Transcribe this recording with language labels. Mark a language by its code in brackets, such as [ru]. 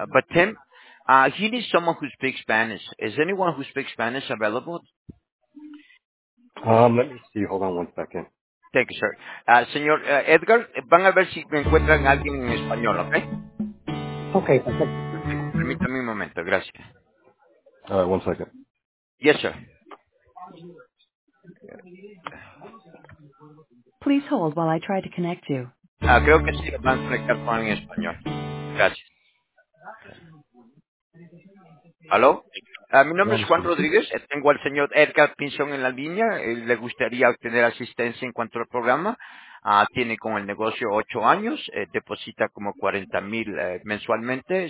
[en] But Tim, he needs someone who speaks Spanish. Is anyone who speaks Spanish available? Let me see. Hold on 1 second. Thank you, sir. [es] Señor Edgar, van a ver si me encuentran alguien en español, ¿ok? Ok, perfecto. Permítame un momento, gracias. [en] All right, 1 second. Yes, sir. Please hold while I try to connect you. [es] Creo que sí, van a conectar con alguien en español. Gracias. ¿Aló? Mi nombre es Juan Rodríguez. Tengo al señor Edgar Pinzón en la línea. Le gustaría obtener asistencia en cuanto al programa. Tiene con el negocio 8 años, deposita como 40,000 mensualmente.